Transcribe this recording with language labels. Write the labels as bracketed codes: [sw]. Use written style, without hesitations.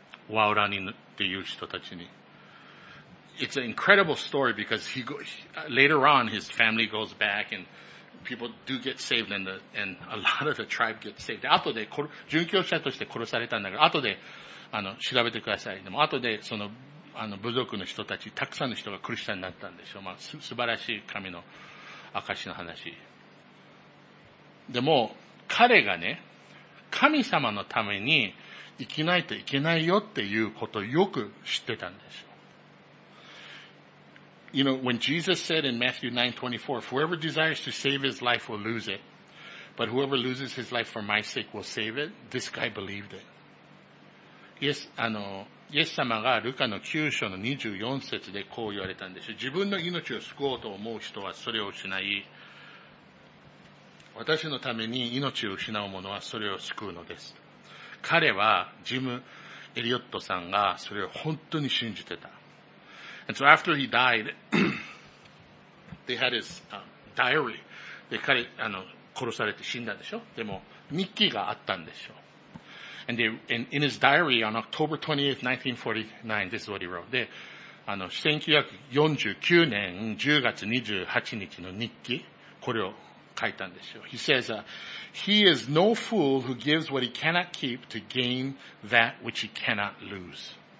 [ja] ワオラニっていう人たちに。 [en] It's an incredible story because later on his family goes back and people do get saved and, and a lot of the tribe get saved. [ja] 後で、殉教者として殺されたんだから、後で、調べてください。でも、後で、その、部族の人たち、たくさんの人がクリスチャンになったんでしょう。まあ、素晴らしい神の証の話。でも、彼がね、神様のために生きないといけないよっていうことをよく知ってたんですよ。 [en] You know, when Jesus said in Matthew 9:24, whoever desires to save his life will lose it, but whoever loses his life for my sake will save it, this guy believed it. [ja] イエス様がルカの9章の24節でこう言われたんですよ。自分の命を救おうと思う人はそれを失い、私のために命を失う者はそれを救うのです。彼はジム・エリオットさんがそれを本当に信じてた。 [en] And so after he died, they had his diary. [ja] で、彼、殺されて死んだんでしょ?でも、日記があったんでしょ。 [en] And, in his diary on October 28th, 1949, this is what he wrote. [ja] で、1949年10月28日の日記、これを書いたんですよ。 [en] He says, he is no fool who gives what he cannot keep to gain that which he cannot lose.